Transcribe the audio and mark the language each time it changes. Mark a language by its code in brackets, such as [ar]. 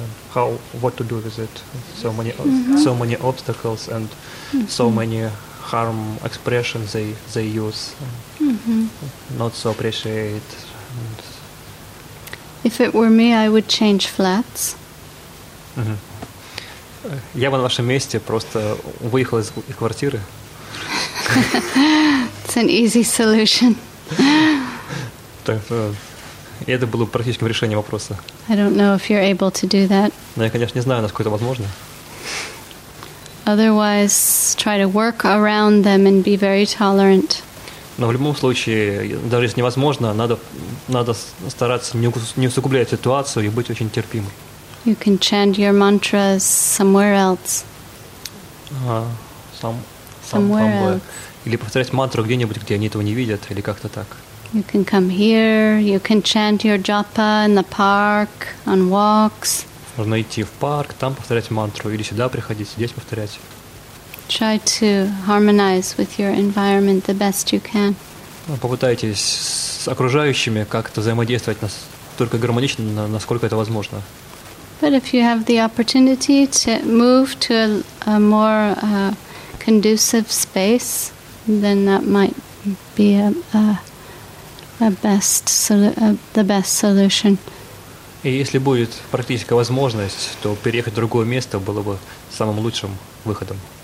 [en] How, what to do with it? So many, so many obstacles and so many harm expressions they use. Not so appreciate. And if it were me, I would change flats. [ru] Я бы на вашем месте просто выехал из квартиры. [en] It's an easy solution. [ru] Так, это было практическим решением вопроса. [en] I don't know if you're able to do that. [ru] Но я, конечно, не знаю, насколько это возможно. [en] Otherwise, try to work around them and be very tolerant. [ru] Но в любом случае, даже если невозможно, надо стараться не усугублять ситуацию и быть очень терпимым. [en] You can chant your mantras somewhere else. Somewhere else. [ru] Или повторять мантру где-нибудь, где они этого не видят, или как-то так. [en] You can come here, you can chant your japa in the park, on walks. [ru] Можно идти в парк, там повторять мантру, или сюда приходить, здесь повторять. [en] Try to harmonize with your environment the best you can. [ru] Попытайтесь с окружающими как-то взаимодействовать настолько гармонично, насколько это возможно. [en] But if you have the opportunity to move to a more conducive space, then that might be the best solution. [ru] И если будет практическая возможность, то переехать в другое место было бы самым лучшим выходом.